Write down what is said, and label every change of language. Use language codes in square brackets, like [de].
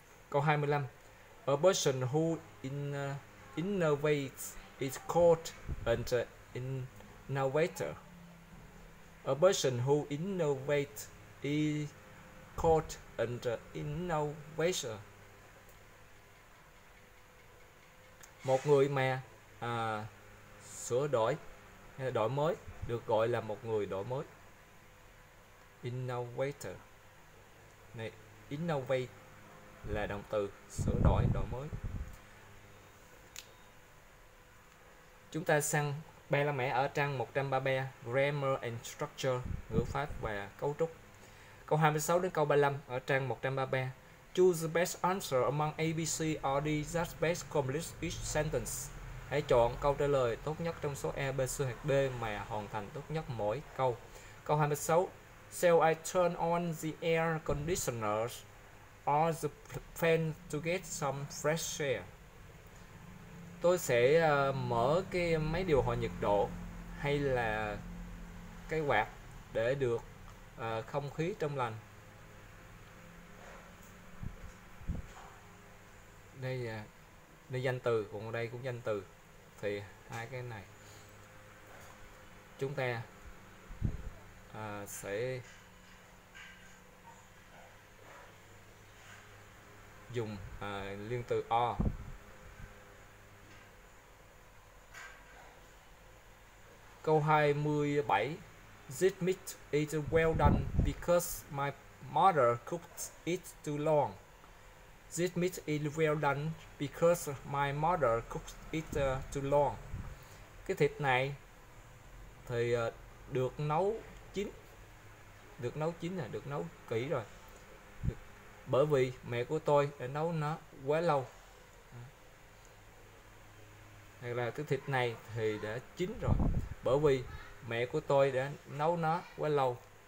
[en] Câu 25, a person who innovates is called an innovator. A person who innovates is called an innovator. [vi] Một người mà sửa đổi hay là đổi mới được gọi là một người đổi mới. Innovator. Này, innovate là động từ sửa đổi, đổi mới. Chúng ta sang ba la mã ở trang 133, [en] grammar and structure, [vi] ngữ pháp và cấu trúc. Câu 26 đến câu 35 ở trang 133. [en] Choose the best answer among A, B, C, or D, that best complete each sentence. [vi] Hãy chọn câu trả lời tốt nhất trong số A, B, C hoặc D mà hoàn thành tốt nhất mỗi câu. Câu 26. [en] Shall I turn on the air conditioner or the fan to get some fresh air? [vi] Tôi sẽ mở cái máy điều hòa nhiệt độ hay là cái quạt để được không khí trong lành. Đây là danh từ, còn đây cũng danh từ, thì hai cái này chúng ta sẽ dùng liên từ o. [en] Câu 27, this meat is well done because my mother cooked it too long. This meat is well done because my mother cooked it too long. [vi] Cái thịt này thì được nấu chín là được nấu kỹ rồi. Bởi vì mẹ của tôi đã nấu nó quá lâu. Hay là cái thịt này thì đã chín rồi. Bởi vì mẹ của tôi đã nấu nó quá lâu.